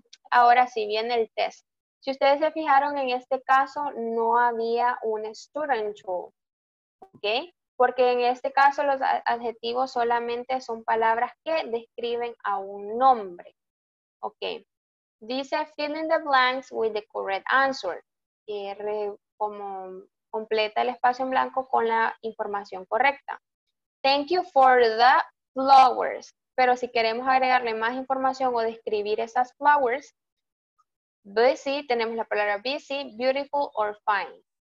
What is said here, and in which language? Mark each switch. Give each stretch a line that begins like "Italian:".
Spanish: Ahora sí, viene el test. Si ustedes se fijaron, en este caso no había un student tool. ¿Ok? Porque en este caso los adjetivos solamente son palabras que describen a un nombre. ¿Ok?
English: Dice, fill in the blanks with the correct answer.
Spanish: Como completa el espacio en blanco con la información correcta.
English: Thank you for the flowers.
Spanish: Pero si queremos agregarle más información o describir esas flowers, busy, tenemos la palabra busy, beautiful or fine.